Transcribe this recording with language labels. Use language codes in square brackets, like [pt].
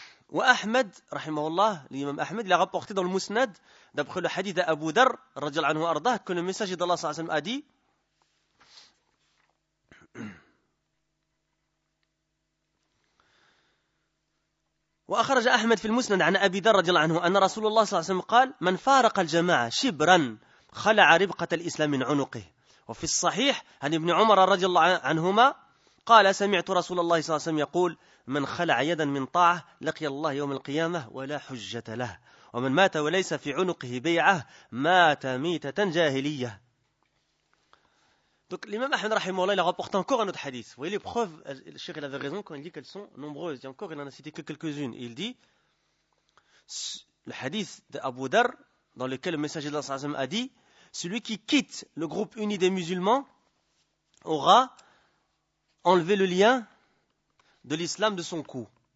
[fr] Ou Ahmed, rahimahullah, l'imam Ahmed, il a rapporté dans le Musnad, d'après le hadith d'Abu Dar, radiallahu anhu ardah, que le messager d'Allah sallallahu alayhi wa sallam a dit: [ar] وأخرج أحمد في المسند عن أبي ذر رضي الله عنه أن رسول الله صلى الله عليه وسلم قال: من فارق الجماعة شبرا خلع ربقة الإسلام من عنقه. وفي الصحيح عن ابن عمر رضي الله عنهما قال: سمعت رسول الله صلى الله عليه وسلم يقول: من خلع يدا من طاعة لقي الله يوم القيامة ولا حجة له. ومن مات وليس في عنقه بيعه مات ميتة جاهلية. [fr] Donc l'imam Ahmed rahimahullah il a rapporté encore un autre hadith. Vous voyez les preuves, le cheikh il avait raison quand il dit qu'elles sont nombreuses. Et encore il en a cité que quelques-unes. Et il dit le hadith d'Abu Dar dans lequel le messager de l'Assemblée a dit celui qui quitte le groupe uni des musulmans aura enlevé le lien de l'islam de son cou.